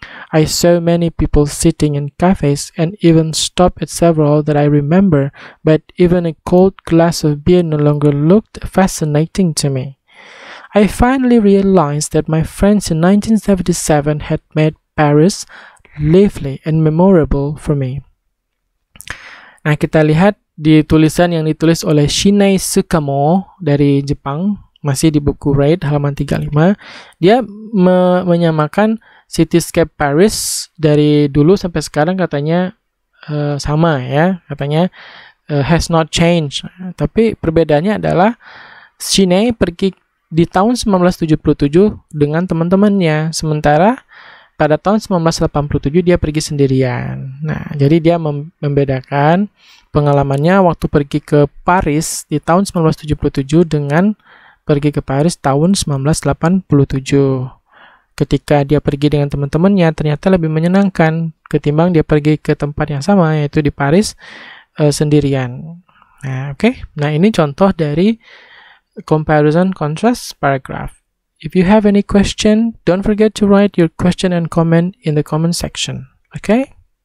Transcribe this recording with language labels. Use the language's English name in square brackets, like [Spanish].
[English] I saw many people sitting in cafes and even stopped at several that I remember, but even a cold glass of beer no longer looked fascinating to me. I finally realized that my friends in 1977 had made Paris lively and memorable for me. [Indonesian] Nah, kita lihat di tulisan yang ditulis oleh Shinei Sukamo dari Jepang, masih di buku Raid halaman 35, dia menyamakan cityscape Paris dari dulu sampai sekarang katanya sama ya, katanya [English] has not changed. [Indonesian] Tapi perbedaannya adalah Shinei pergi di tahun 1977 dengan teman-temannya, sementara pada tahun 1987 dia pergi sendirian. Nah, jadi dia membedakan pengalamannya waktu pergi ke Paris di tahun 1977 dengan pergi ke Paris tahun 1987. Ketika dia pergi dengan teman-temannya, ternyata lebih menyenangkan ketimbang dia pergi ke tempat yang sama, yaitu di Paris sendirian. Nah, oke. Okay. Nah, ini contoh dari [English] comparison contrast paragraph. If you have any question, don't forget to write your question and comment in the comment section. Okay?